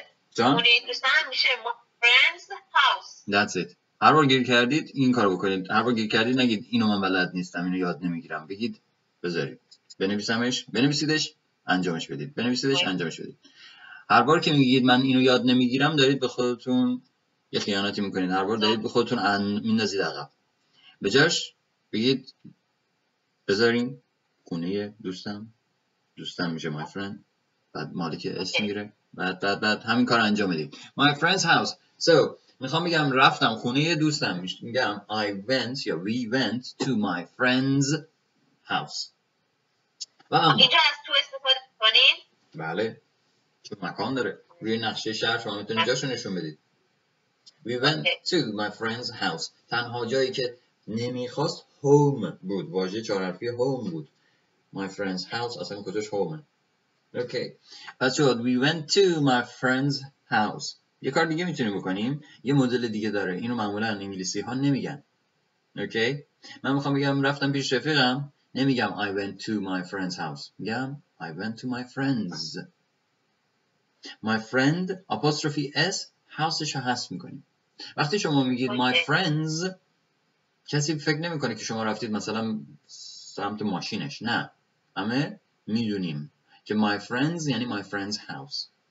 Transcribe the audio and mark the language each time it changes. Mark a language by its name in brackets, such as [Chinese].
[Persian] جان؟ [English] my friend's house. That's it. [Persian] هر بار گیر کردید این کارو بکنید. هر بار گیر کردید نگید اینو من بلد نیستم، اینو یاد نمیگیرم. بگید بذارید. بنویسمش، بنویسیدش، انجامش بدید. بنویسیدش، انجامش بدید. هر بار که میگید من اینو یاد نمیگیرم، دارید به خودتون یه خیانتی میکنید. هر بار دارید به خودتون میندازید عقب. به جاش بگید بذارین خونه دوستم، دوستم میشه [English] my friend، [Persian] بعد مالک اسم میگیره، بعد همین کار انجام بدید. [English] My friend's house. So [Persian] میخوام بگم رفتم خونه دوستم، میگم [English] I went یا we went to my friend's house. [Persian] و اما اینجا از تو استفاده کنیم؟ بله، چه مکان داره روی نقشه شهر شما میتونید جاشو نشون بدید. [English] We went to my friend's house. [Persian] تنها جایی که نمیخواست [English] home [Persian] بود، واژه چهار حرفی home بود. [English] My friend's house [Persian] اصلا کجاش [English] home. Okay. [Persian] پس شد [English] We went to my friend's house. [Persian] یه کار دیگه میتونیم بکنیم، یه مدل دیگه داره، اینو معمولا انگلیسی ها نمیگن. اوکی؟ من میخوام بگم رفتم پیش رفیقم، نمیگم [English] I went to my friend's house، [Persian] میگم [English] I went to my friends. My friend apostrophe s house‌شو [Persian] حذف میکنیم. وقتی شما میگید [English] my friends، [Persian] کسی فکر نمیکنه که شما رفتید مثلا سمت ماشینش، نه، اما میدونیم که my friends یعنی [English] my friend's house.